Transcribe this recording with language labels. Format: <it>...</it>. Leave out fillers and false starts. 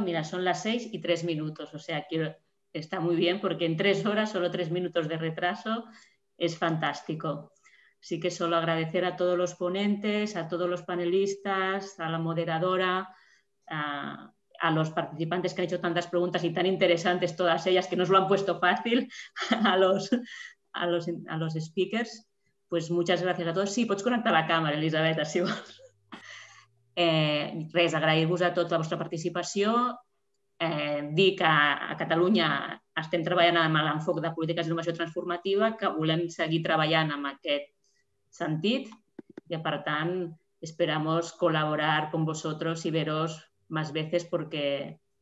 <es>Mira, son 6:03, o sea, está muy bien porque en 3 horas, solo 3 minutos de retraso, es fantástico. Así que solo agradecer a todos los ponentes, a todos los panelistas, a la moderadora, a los participantes que han hecho tantas preguntas y tan interesantes todas ellas, que nos lo han puesto fácil, a los speakers. Pues muchas</es> <ca>gràcies a tots. Sí, pots connectar la càmera, Elisabeta, si vols. Res, agrair-vos a tots la vostra participació. Dir que a Catalunya estem treballant amb l'enfoc de polítiques d'innovació transformativa, que volem seguir treballant en aquest sentit i, per tant,</ca> <es>esperamos col·laborar con vosotros y veros más veces porque</es>